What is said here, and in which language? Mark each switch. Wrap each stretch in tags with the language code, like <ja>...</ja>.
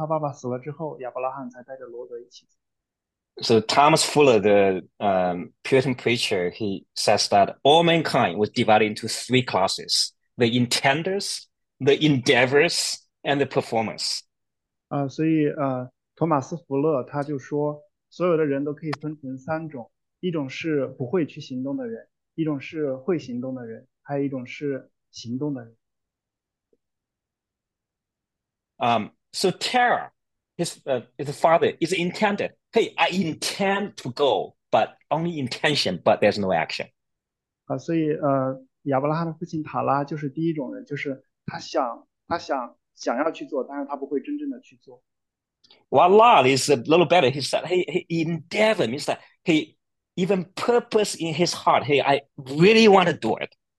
<zh>如果我们读过《创世纪》11章的话，我们知道亚伯拉罕的父亲塔拉也是当时是跟着亚伯拉罕一起的，但是在途中他的爸爸不愿意再走，所以等到他爸爸死了之后，亚伯拉罕才带着罗德一起走。</zh> <en>So Thomas Fuller, the Puritan preacher, he says that all mankind was divided into three classes: the intenders, the endeavors, and the performers.</en> <zh>所以托马斯·福勒他就说，所有的人都可以分成三种：一种是不会去行动的人，一种是会行动的人，还有一种是行动的人。</zh> <en>So Terah, his father, is intended. Hey, I intend to go, but only intention, but there's no action.</en> <zh>所以亚伯拉罕的父亲塔拉就是第一种人，就是他想要去做，但是他不会真正的去做。</zh> <en>Well, Lot is a little better. He said, he endeavored, means that he even purposed in his heart, hey, I really want to do it.</en>